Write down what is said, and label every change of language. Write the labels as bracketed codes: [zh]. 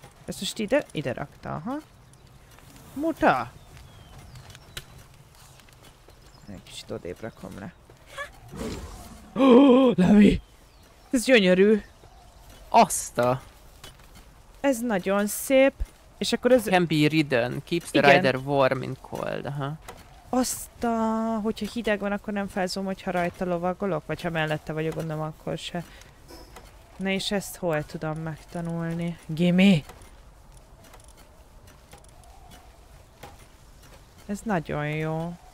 [hu] Ezt most ide rakta, aha. Muta! Egy kicsit odébb rakom le. Levi! Ez gyönyörű! Asta! Ez nagyon szép, és akkor ez... [en] Can be ridden, keeps the rider warm and cold, aha. Asta! [hu] Hogyha hideg van, akkor nem felzom, hogyha rajta lovagolok, vagy ha mellette vagyok, gondolom, akkor se. Na és ezt hol tudom megtanulni? [en] Gimme! [hu] Ez nagyon jó.